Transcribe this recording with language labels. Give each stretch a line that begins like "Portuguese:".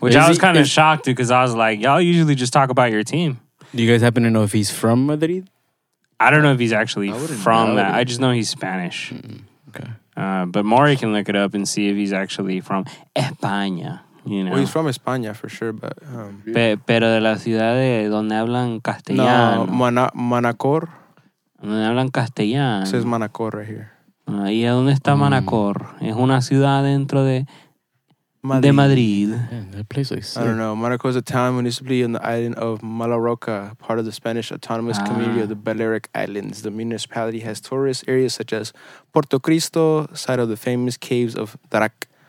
English: Which I was kind of shocked, because I was like, y'all usually just talk about your team. Do you guys happen to know if he's from Madrid? I don't know if he's actually from that. I just know he's Spanish. Mm-hmm. Okay. But Maury can look it up and see if he's actually from España. You know. Well, he's from España for sure, but...
Spanish: Pero de la ciudad de donde hablan castellano. Manacor. Donde hablan castellano. Eso es Manacor
English: right here.
Spanish: ¿Y a dónde está Manacor? Es una ciudad dentro de Madrid.
English: Yeah, that place looks sick. I don't know. Manacor is a town municipally on the island of Mallorca, part of the Spanish autonomous community of the Balearic Islands. The municipality has tourist areas such as Puerto Cristo, site of the famous caves of Drac.